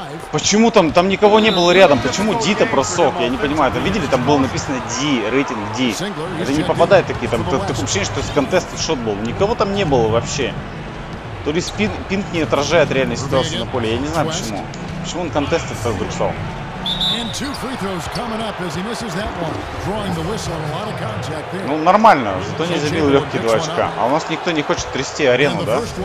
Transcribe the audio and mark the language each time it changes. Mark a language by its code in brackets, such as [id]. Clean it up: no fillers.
[ru] Почему там, там никого не было рядом, почему Ди-то бросок, я не понимаю, это видели, там было написано Ди, рейтинг Ди, это не попадает такие, там такое ощущение, что с контеста шот был, никого там не было вообще, то ли пинг не отражает реальной ситуации на поле, я не знаю почему, почему он контест-то вдруг стал. [en] And two free throws coming up as he misses that one, drawing the whistle and a lot of contact there. [ru] Ну нормально, зато не забил легкие два очка. А у нас никто не хочет трясти арену, да?